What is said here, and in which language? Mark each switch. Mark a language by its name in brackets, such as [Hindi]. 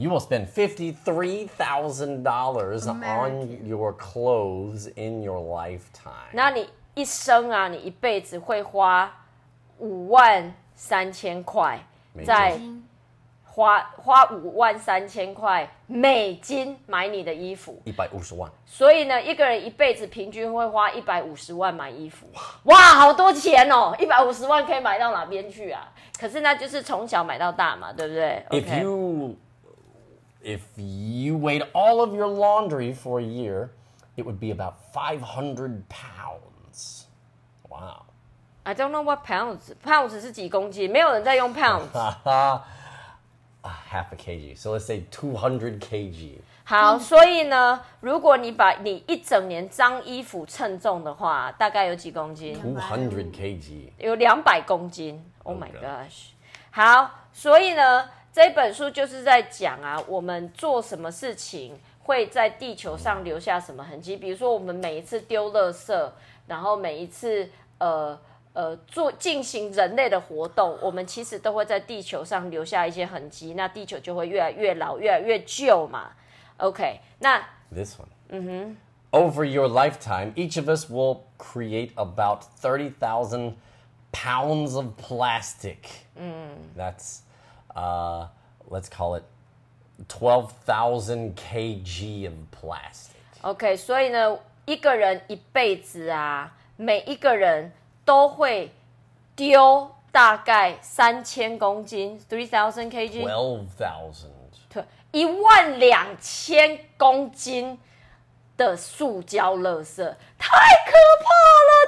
[English] You will spend $53,000 on your clothes in your lifetime. [Chinese] 那你一生啊，你一辈子会花53,000块，在花53,000块美金买你的衣服， 150万。所以呢，一个人一辈子平均会花150万买衣服。哇，好多钱哦！150万可以买到哪边去啊？可是那就是从小买到大嘛，对不对 [English] ？If you、 okay. if you weighed all of your laundry for a year, it would be about 500 pounds. Wow. I don't know what pounds. [Chinese] Pounds 是几公斤？没有人在用 pounds. [English] half a kg. So let's say 200 kg. [Chinese] 好，所以呢，如果你把你一整年脏衣服称重的话，大概有几公斤 [English] ？200 kg. [Chinese] 有200公斤。 [English] Oh my gosh. [Chinese] 好，所以呢，这本书就是在讲啊，我们做什么事情会在地球上留下什么痕迹。比如说我们每一次丢垃圾，然后每一次做进行人类的活动，我们其实都会在地球上留下一些痕迹，那地球就会越来越老，越来越旧嘛。 OK， 那 [English] This one， 嗯哼。 Over your lifetime, each of us will create about 30,000 pounds of plastic. That's, let's call it 12,000 kg of plastic. [Chinese] Okay, 所以呢，一个人一辈子啊，每一个人都会丢大概3000公斤 3,000 kg? [English] 12,000. [Chinese] 12,000公斤的塑胶垃圾，太可怕了！